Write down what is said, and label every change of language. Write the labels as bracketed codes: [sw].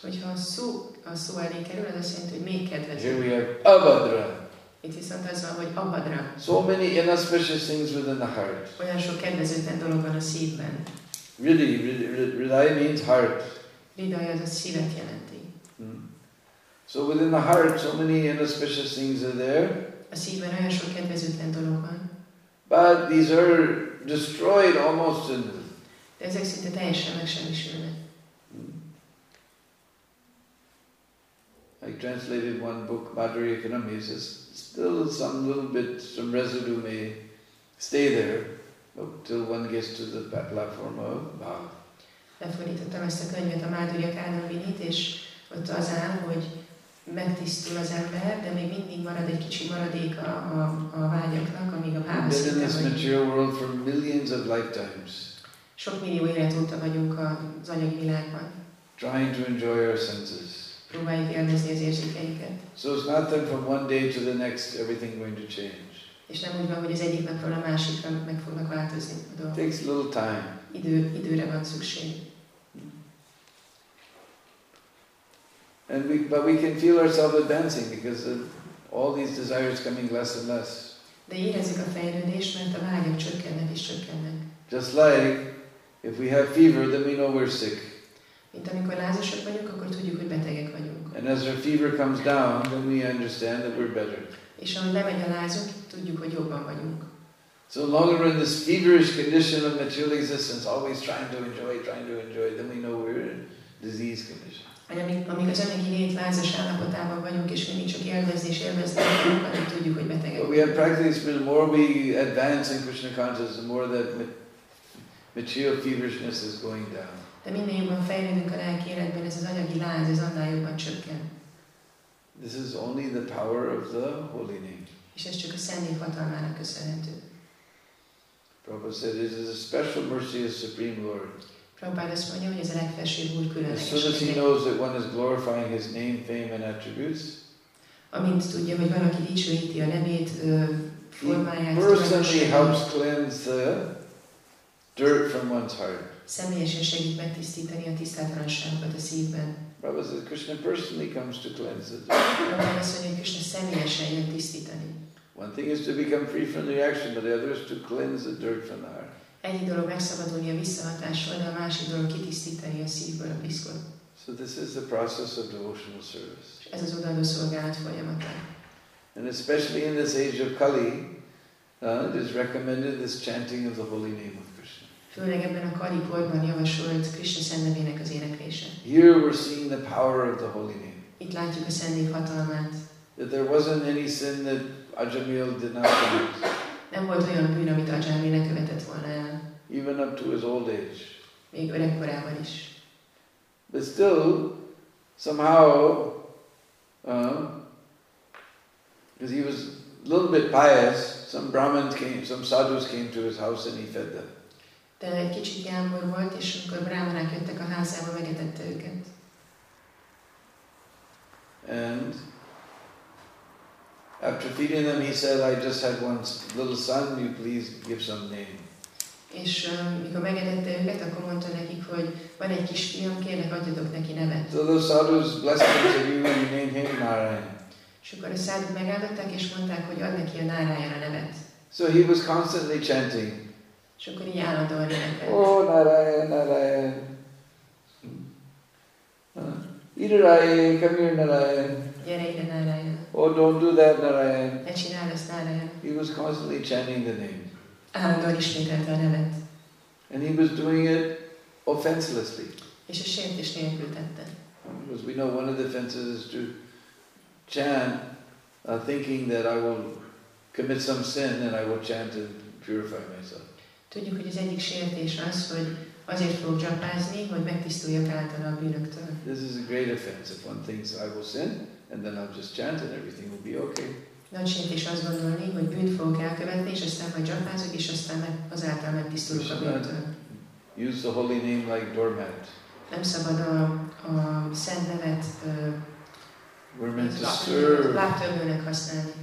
[hu] Hogyha a szó elé kerül, az azt jelenti, hogy még kedvezetlen. [en] Here we have abhadra. [hu] Itt viszont az van, hogy abhadra. [en] So many inauspicious things within the heart. [hu] Olyan sok kedvezetlen dolog van a szívben. [en] Really, ridai means heart. [hu] Ridai az a szívet jelenti. [en] So within the heart, so many inauspicious things are there. [hu] A szívben olyan sok kedvezőtlen dolog van. [en] But these are destroyed almost in. [hu] De ezek szinte teljesen megsemmisülnek. [en] I translated one book, Madhuri Economy. It says still some little bit, some residue may stay there till one gets to the platform of Bhav. [hu] Lefordítottam ezt a könyvet, a Madhuri Economy-t, és ott az áll, hogy megtisztul az ember, de még mindig marad egy kicsi maradék a vágyaknak, amíg a bhava szinten vagyunk. [en] In this material world for millions of lifetimes. [hu] Sok millió élet óta vagyunk az anyagi világban. [en] Trying to enjoy our senses. [hu] Próbáljuk élvezni az érzékeinket. [en] So it's not that from one day to the next everything going to change. [hu] És nem úgy van, hogy az egyik napról a másikra meg fognak változni a dolgok. [en] Takes a little time. [hu] Időre van szükség. [en] But we can feel ourselves advancing because of all these desires coming less and less. [hu] De érezzük a fejlődést, mert a vágyak csökkennek és csökkennek. [en] Just like if we have fever, then we know we're sick. [hu] Mint amikor lázasak vagyunk, akkor tudjuk, hogy betegek vagyunk. [en] And as our fever comes down, then we understand that we're better. [hu] És ha lemegy a lázunk, tudjuk, hogy jobban vagyunk. [en] So the longer we're in this feverish condition of material existence, always trying to enjoy, then we know we're in disease condition. [hu] Amíg az anyagi lét lázas állapotában vagyunk, és mindig csak élvezni, akkor tudjuk, hogy betegek. [en] But we have practiced, the more we advance in Krishna consciousness, the more that material feverishness is going down. [hu] De minél jobban fejlődünk a lelki életben, ez az anyagi láz, ez annál jobban csökken. [en] This is only the power of the holy name. [hu] És ez csak a szent név hatalmának köszönhető. [en] Prabhupada said, it is a special mercy of Supreme Lord. [hu] Prabhupada azt mondja, hogy ez a legfelsőbb úr különleges. [en] As soon as he knows that one is glorifying his name, fame and attributes, [hu] amint tudja, hogy valaki dicsőíti a nevét, formáját, [en] personally helps cleanse the dirt from one's heart. [hu] Személyesen segít megtisztítani a tisztátalanságot a szívben. [en] Prabhupada says Krishna personally comes to cleanse it. [hu] Prabhupada azt mondja, hogy Krishna személyesen jön tisztítani. [en] One thing is to become free from the reaction, but the other is to cleanse the dirt from the heart. [hu] Egy dolog megszabadulni a visszahatásról, de a másik dolog kitisztítani a szívből a piszkot. [en] So this is the process of devotional service. [hu] Ez az odaadó szolgálat folyamata. [en] And especially in this age of Kali, it is recommended this chanting of the holy name of Krishna. [hu] Főleg ebben a Kali korban javasolt Krishna szent nevének az éneklése. [en] Here we're seeing the power of the holy name. [hu] Itt látjuk a szent név hatalmát. [en] That there wasn't any sin that Ajamil did not commit. [hu] nem volt olyan bűn, amit Ajami ne követett volna el. [en] Even up to his old age. [hu] Még öregkorában is. [en] But still, somehow, because he was a little bit pious, some Brahmins came, some sadhus came to his house and he fed them. [hu] De egy kicsit gyámbor volt, és amikor brámanák jöttek a házába, megetette őket. [en] And after feeding them, he said, I just had one little son, you please give some name. [hu] És mikor megedette őket, akkor mondta nekik, hogy van egy kis fiam, kérlek, adjatok neki nevet. [en] So those sadhus blessed him, said, you name him Narayan. [hu] És akkor a sadhuk megáldották, és mondták, hogy ad neki a Narayana nevet. [en] So he was constantly chanting. [hu] És akkor így állandóan énekelt. [en] Oh, Narayan, Narayan. Idarai, come here, Narayan. [hu] Gyere ide, Narayan. [en] Oh, don't do that, Narayan. [hu] Ne csináld ezt, Narayan. [en] He was constantly chanting the name. [hu] Állandóan ismételte a nevet. [en] And he was doing it offenselessly. [hu] És a sértés nélkül tette. [en] Because we know one of the offenses is to chant, thinking that I will commit some sin and I will chant to purify myself. [hu] Tudjuk, hogy az egyik sértés az, hogy azért fogok dzsapázni, hogy megtisztuljak általa a bűnöktől. [en] This is a great offense if one thinks I will sin, and then I'll just chant and everything will be okay. [hu] Nagy sértés azt gondolni, hogy bűnt fogok elkövetni, és aztán majd dzsapázok, és aztán azáltal megtisztulok a bűnöktől. [en] Use the holy name like doormat. [hu] Nem szabad a szent nevet [en] We're meant to serve. [hu] Láttömőnek használni.